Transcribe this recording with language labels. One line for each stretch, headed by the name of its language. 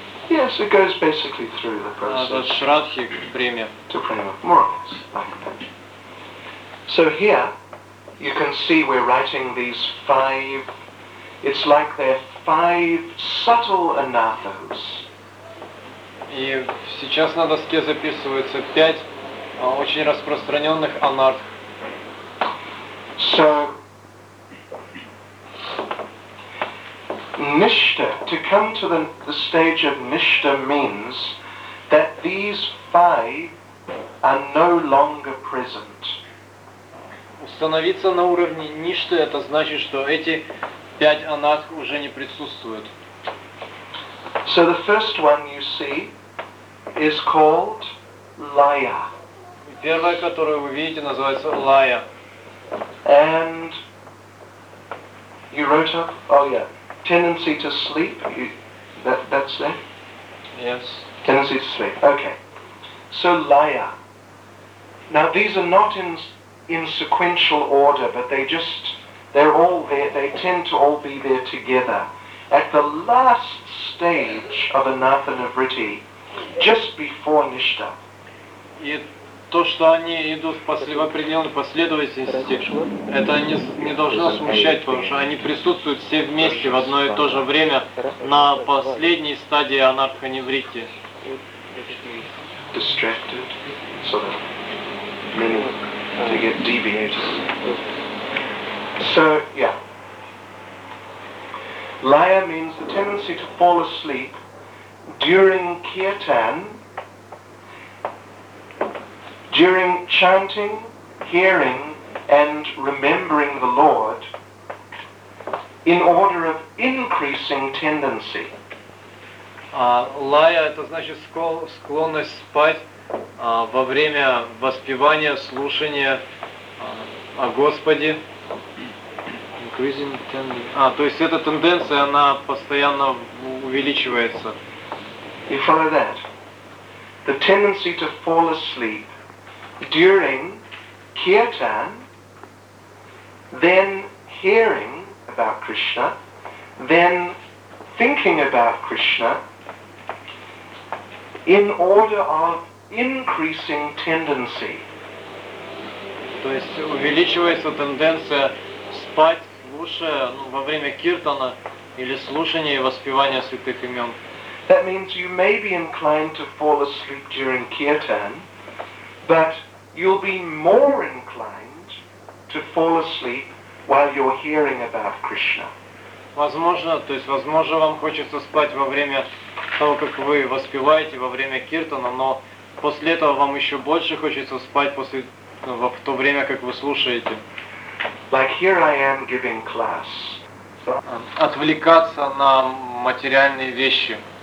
English: Yes, it goes basically through the process.
Russian: От Шрадхи к Преме.
English: To Prema. More or less, like that. So here you can see we're writing these five. It's like they're five subtle anathas.
Russian: И сейчас на доске записывается пять очень распространенных анарт.
English: So, nishta, to come to the stage of nishta means that these five are no longer present.
Russian: Установиться на уровне ништа, это значит, что эти пять анарт уже не присутствуют.
English: So the first one you see is called Laya.
Russian: Первая, которую вы видите, называется Laya.
English: And you wrote up, oh yeah, tendency to sleep, that's there? Yes. Tendency to sleep, okay. So Laya. Now these are not in sequential order, but they're all there, they tend to all be there together. At the last stage of Anathanavritti, just before Nishta.
Russian: И то, что они идут в определенной последовательности, это не должно смущать, потому что они присутствуют все вместе в одно и то же время на последней стадии анартха-невритти.
English: Distracted, sort of, meaning to get deviated. So, yeah. Laya means the tendency to fall asleep during kirtan, during chanting, hearing, and remembering the Lord, in order of increasing tendency.
Russian: Лая – это значит склонность спать во время воспевания, слушания о Господе.
English: Increasing tendency.
Russian: То есть эта тенденция, она постоянно увеличивается.
English: You follow that? The tendency to fall asleep during kirtan, then hearing about Krishna, then thinking about Krishna, in order of increasing tendency.
Russian: То есть увеличивается тенденция спать, слушая, во время киртана или слушания и воспевания святых имен.
English: That means you may be inclined to fall asleep during kirtan, but you'll be more inclined to fall asleep while you're hearing about Krishna.
Russian: Возможно, то есть возможно вам хочется спать во время того, как вы воспеваете во время киртана, но после этого вам еще больше хочется спать после в то время, как вы слушаете.
English: Like here I am giving class.
Russian: Отвлекаться на материальные вещи.